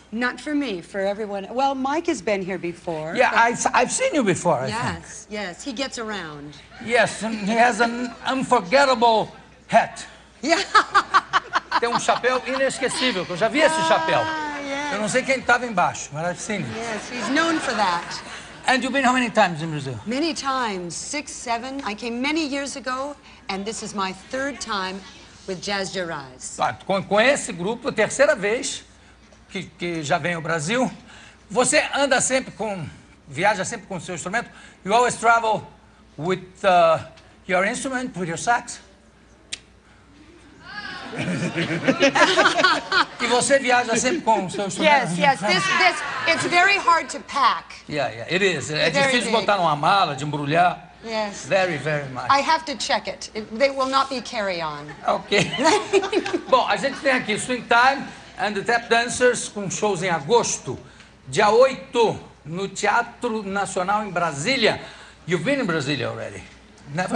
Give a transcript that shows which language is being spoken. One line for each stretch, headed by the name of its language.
English: Not for me, for everyone. Well, Mike has been here before. Yeah, but... I've seen you before, yes, I think. Yes, yes, he gets around. Yes, and he has an unforgettable hat. Yeah.
Portuguese: Tem chapéu inesquecível, que eu já vi esse chapéu.
English: Yes.
Portuguese: Eu não sei quem estava embaixo, mas
English: I've seen him. Yes, he's known for that. And you've been how many times in Brazil? Many times, six, seven. I came many years ago, and this is my third time with Jazz Soares.
Portuguese: Ah, com esse grupo, terceira vez que já vem ao Brasil. Você anda sempre com, viaja sempre com seu instrumento?
English: You always travel with your instrument, with your sax?
Portuguese: E você viaja sempre com o seu instrumento?
English: Yes, yes. This, it's very hard to pack. Yeah, yeah. It is.
Portuguese: É difícil botar numa mala, de embrulhar.
English: Yes. Very, very much. I have to check it. They will not be carry-on.
Portuguese: Okay. Bom, a gente tem aqui Swing Time and the Tap Dancers com shows em agosto, dia 8, no Teatro Nacional em Brasília.
English: You've been in Brasília already? Never.